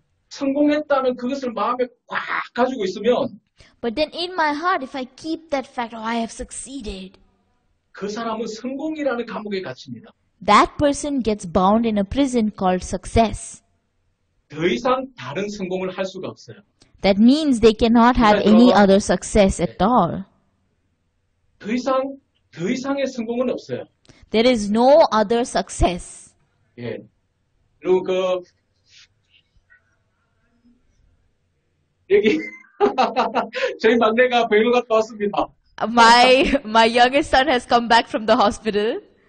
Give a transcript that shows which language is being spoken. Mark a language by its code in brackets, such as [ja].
[ko] 성공했다는 그것을 마음에 꽉 가지고 있으면 [en] But then in my heart, if I keep that fact, oh, I have succeeded. [ko] 그 사람은 성공이라는 감옥에 갇힙니다. [en] That person gets bound in a prison called success. [ko] 더 이상 다른 성공을 할 수가 없어요. [en] That means they cannot have any other success at all. [ko] 더 이상의 성공은 없어요. [en] There is no other success. [ko] 예. 그리고 그 여기 저희 막내가 병원 갔다 왔습니다. [en] My youngest son has come back from the hospital.